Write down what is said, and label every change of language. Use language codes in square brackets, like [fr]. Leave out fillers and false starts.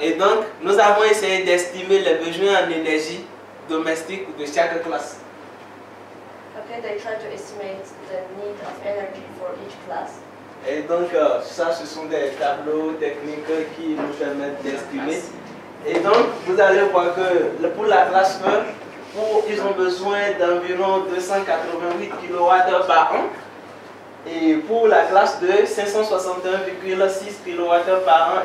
[fr] Et donc, nous avons essayé d'estimer les besoins en énergie domestique de chaque classe. [en] Ok, they try to estimate the need of energy for each class. [fr] Et donc, ça, ce sont des tableaux techniques qui nous permettent d'estimer. Et donc, vous allez voir que pour la classe 1, ils ont besoin d'environ 288 kWh par an. Et pour la classe 2, 561,6 kWh par an.